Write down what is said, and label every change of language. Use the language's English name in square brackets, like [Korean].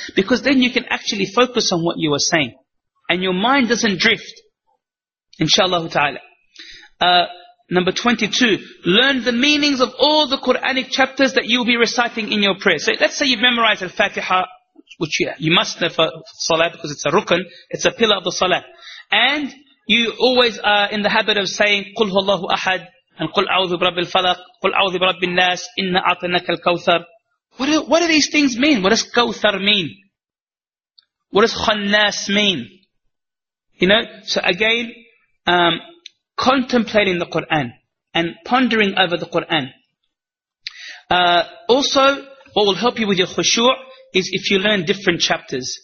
[English] Because then you can actually focus on what you are saying. And your mind doesn't drift. Inshallah ta'ala. Number 22, learn the meanings of all the Quranic chapters that you'll be reciting in your prayer. So let's say you've memorized Al-Fatiha, which you must know for Salah because it's a rukun, it's a pillar of the Salah. And you always are in the habit of saying, [Arabic] قُلْ هُوَ اللَّهُ أَحَدْ and قُلْ أَعُوذُ بِرَبِّ الْفَلَقِ قُلْ أَعُوذُ بِرَبِّ النَّاسِ إِنَّ أَعْطَنَكَ الْكَوْثَرِ. [English] What do these things mean? What does kawthar mean? What does khannas mean? You know, so again, contemplating the Qur'an and pondering over the Qur'an. Also, what will help you with your khushu' is if you learn different chapters.